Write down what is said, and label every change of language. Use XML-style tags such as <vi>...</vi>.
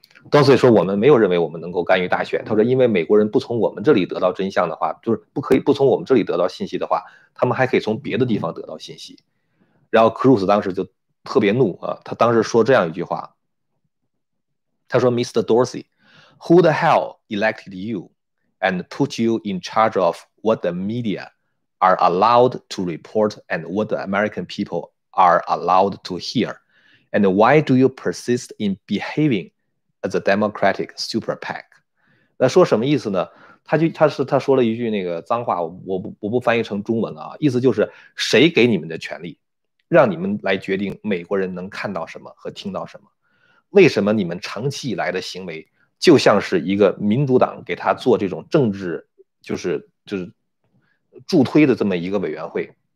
<zh>Dorsey 说我们没有认为我们能够干预大选，他说因为美国人不从我们这里得到真相的话，就是不可以不从我们这里得到信息的话，他们还可以从别的地方得到信息。然后 Cruz 当时就特别怒啊，他当时说这样一句话，他说 Mr.</zh> <en>Dorsey， Who the hell elected you and put you in charge ofWhat the media are allowed to report and what the American people are allowed to hear. And why do you persist in behaving as a Democratic super PAC?</en> <zh>那说什么意思呢？他说了一句那个脏话，我不翻译成中文了啊，意思就是谁给你们的权利让你们来决定美国人能看到什么和听到什么？为什么你们长期以来的行为就像是一个民主党给他做这种政治就是助推的这么一个委员会，</zh>